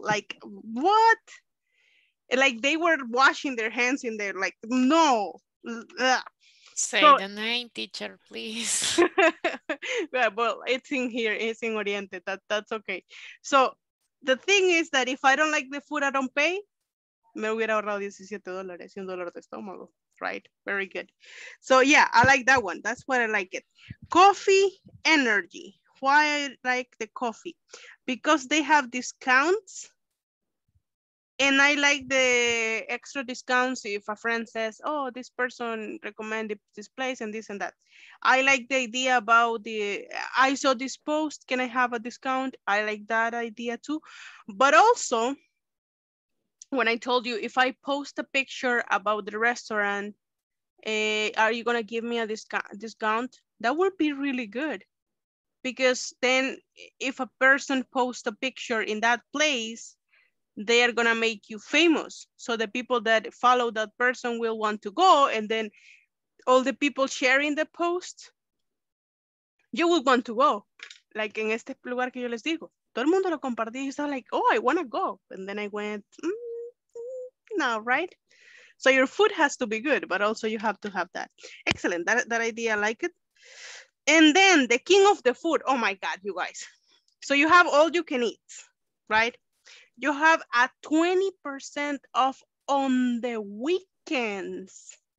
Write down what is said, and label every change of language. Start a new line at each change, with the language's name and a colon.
English: Like, what? Like they were washing their hands in there, like, no. Say so, the name, teacher, please. Yeah, well, it's in here, it's in Oriente, that's okay. So the thing is that if I don't like the food, I don't pay.
Spanish: Me hubiera ahorrado $17 y un dolor de estómago, right?
English: Very good. So yeah, I like that one. That's what I like it. Coffee energy. Why I like the coffee? Because they have discounts. And I like the extra discounts if a friend says, oh, this person recommended this place and this and that. I like the idea about the, I saw this post, can I have a discount? I like that idea too. But also, when I told you, if I post a picture about the restaurant, are you gonna give me a discount? That would be really good. Because then if a person posts a picture in that place, they are gonna make you famous. So the people that follow that person will want to go, and then all the people sharing the post, you will want to go.
Spanish: Like in este lugar que yo les digo, todo el mundo lo compartió y estaba like,
English: oh, I wanna go. And then I went, no, right? So your food has to be good, but also you have to have that. Excellent, that idea, I like it. And then the king of the food, oh my God, you guys. So you have all you can eat, right? you have a 20% off on the weekends.